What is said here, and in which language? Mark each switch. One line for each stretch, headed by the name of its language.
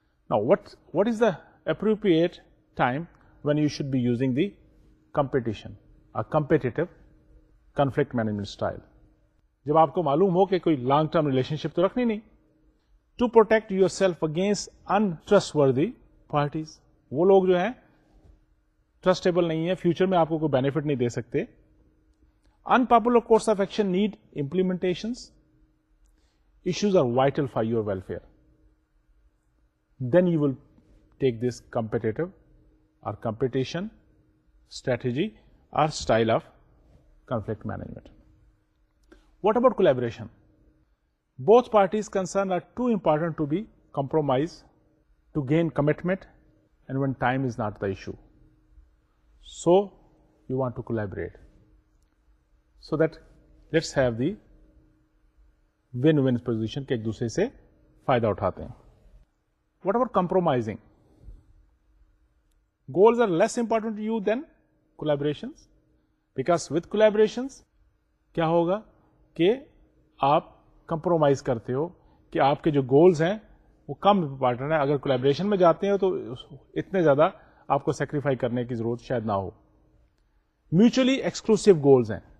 English: Now what is the appropriate time when you should be using the competition, a competitive conflict management style.
Urdu: جب آپ کو معلوم ہو کہ کوئی لانگ ٹرم ریلیشن شپ تو رکھنی نہیں
English: to protect yourself against interest worthy parties
Urdu: وہ لوگ جو ہیں ٹرسٹیبل نہیں ہیں فیوچر میں آپ کو کوئی بینیفٹ نہیں دے سکتے
English: Unpopular course of action need implementation issues are vital for your welfare then you will take this competitive or competition strategy or style of conflict management. What about collaboration? Both parties concerned are too important to be compromised to gain commitment and when time is not the issue. So you want to collaborate. So that let's have the win-win position
Urdu: ke ek dusre se fayda uthate hain.
English: What about compromising? Goals are less important to you than collaborations. Because with collaborations,
Urdu: کیا ہوگا کہ آپ compromise کرتے ہو کہ آپ کے جو goals ہیں وہ کم امپارٹنٹ ہیں اگر کولیبریشن میں جاتے ہو تو اتنے زیادہ آپ کو سیکریفائی کرنے کی ضرورت شاید نہ ہو میوچلی ایکسکلوسو گولز ہیں